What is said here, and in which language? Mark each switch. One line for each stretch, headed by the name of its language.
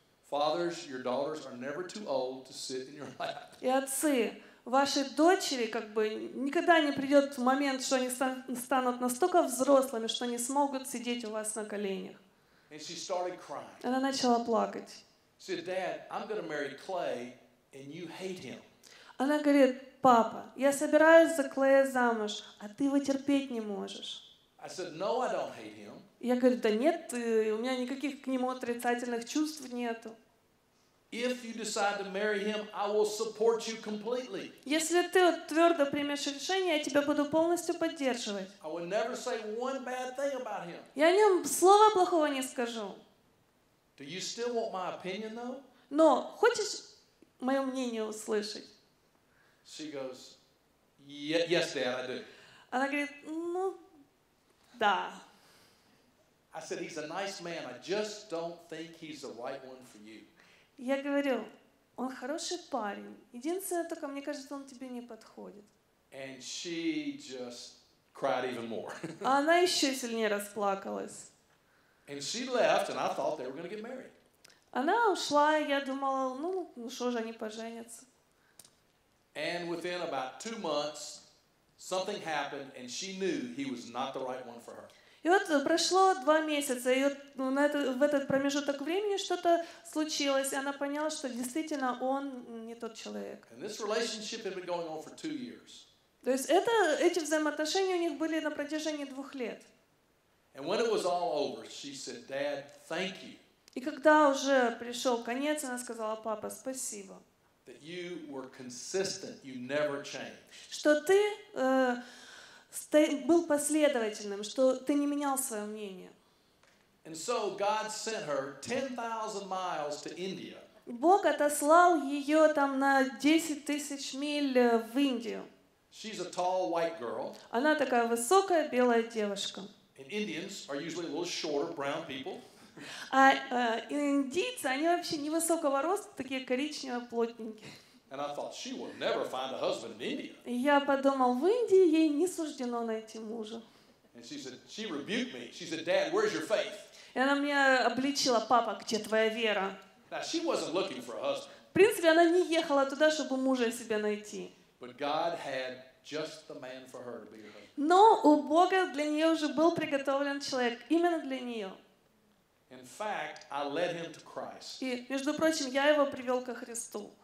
English: Fathers, your daughters are never too old to sit in your lap.
Russian: И отцы, ваши дочери, как бы, никогда не придет момент, что они станут настолько взрослыми, что они смогут сидеть у вас на коленях.
English: And she started crying.
Russian: Она начала плакать.
English: She said, "Dad, I'm going to marry Clay, and you hate him."
Russian: Она говорит: "Папа, я собираюсь за Клея замуж, а ты его терпеть не можешь."
English: I said, "No, I don't hate him."
Russian: Я говорю: "Да нет, у меня никаких к нему отрицательных чувств нету."
English: If you decide to marry him, I will support you completely.
Russian: Если ты твердо примешь решение, я тебя буду полностью поддерживать.
English: I will never say one bad thing about him.
Russian: Я о нем слова плохого не скажу.
English: Do you still want my opinion, though?
Russian: Но хочешь мое мнение услышать?
English: She goes, "Yes, Dad, I do."
Russian: Она говорит: "Ну, да."
English: I said, "He's a nice man. I just don't think he's the right one for you."
Russian: Я говорю: "Он хороший парень. Единственное только, мне кажется, он тебе не подходит."
English: And she just cried even more.
Russian: Она еще сильнее расплакалась.
English: And she left, and I thought they were going to get married.
Russian: Она ушла, и я думала: "Ну, ну что же, они поженятся."
English: And within about 2 months, Something happened, and she knew he was not the right one for her.
Russian: И вот прошло два месяца, и вот в этот промежуток времени что-то случилось, и она поняла, что действительно он не тот человек.
English: And this relationship had been going on for 2 years.
Russian: То есть это, эти взаимоотношения у них были на протяжении 2 лет.
English: And when it was all over, she said, "Dad, thank you."
Russian: И когда уже пришел конец, она сказала: "Папа, спасибо."
English: That you were consistent, you never changed.
Russian: Что ты был последовательным, что ты не менял свое мнение.
English: And so God sent her 10,000 miles to India.
Russian: Бог отослал ее там на 10 тысяч миль в Индию.
English: She's a tall white girl.
Russian: Она такая высокая белая девушка.
English: And Indians are usually a little shorter brown people.
Russian: А индийцы, они вообще невысокого роста, такие коричневые, плотненькие.
English: And I thought, she will never find a husband in India.
Russian: Я подумал, в Индии ей не суждено найти мужа.
English: And she said, she rebuked me. She said, "Dad, where's your faith?"
Russian: И она меня обличила: "Папа, где твоя вера?"
English: Now, she wasn't looking for a husband.
Russian: В принципе, она не ехала туда, чтобы мужа себе найти.
English: But God had just the man for her to be her husband.
Russian: Но у Бога для нее уже был приготовлен человек именно для нее.
English: In fact, I led him to Christ.
Russian: И между прочим, я его привел ко Христу.